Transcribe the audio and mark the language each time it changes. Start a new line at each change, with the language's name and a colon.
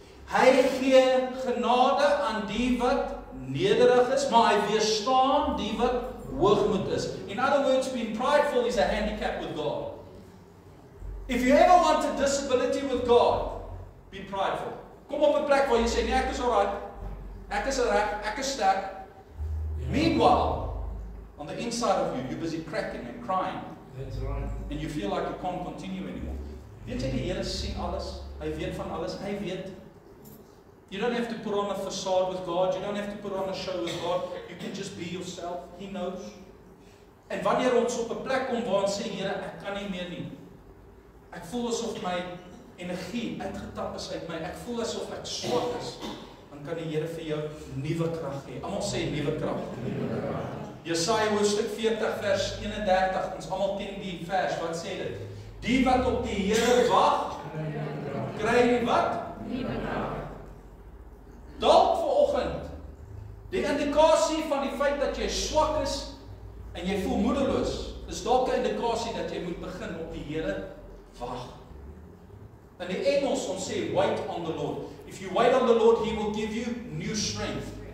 Afrikaans: Hy gee genade aan die wat nederig is, maar hy weerstaan die wat hoogmoed is.
English: In other words, being prideful is a handicap with God. If you ever want a disability with God, be prideful.
Afrikaans: Kom op 'n plek waar jy sê nee, ek is alright. Ek is reg, ek is sterk. Yeah.
English: Meanwhile, on the inside of you, you're busy cracking and crying. That's right. And you feel like you can't continue anymore.
Afrikaans: Weet jy, die Here sien alles. Hy weet van alles. Hy weet.
English: You don't have to put on a facade with God. You don't have to put on a show with God. You can just be yourself. He knows.
Afrikaans: En wanneer ons op 'n plek kom waar ons sê, Here, ek kan nie meer nie. Ek voel asof my energie uitgetap is uit my. Ek voel asof ek swak is. Kan die Here vir jou nuwe krag gee. Almal sê nuwe krag. Jesaja hoofstuk 40 vers 31. Ons almal ken die vers. Wat sê dit? Die wat op die Here wag, kry wat? Nuwe krag. Dalk vanoggend die indikasie van die feit dat jy swak is en jy voel moedeloos, is dalk 'n indikasie dat jy moet begin op die Here wag. In die Engels ons sê
English: wait on the Lord. If you wait on the Lord, He will give you new strength.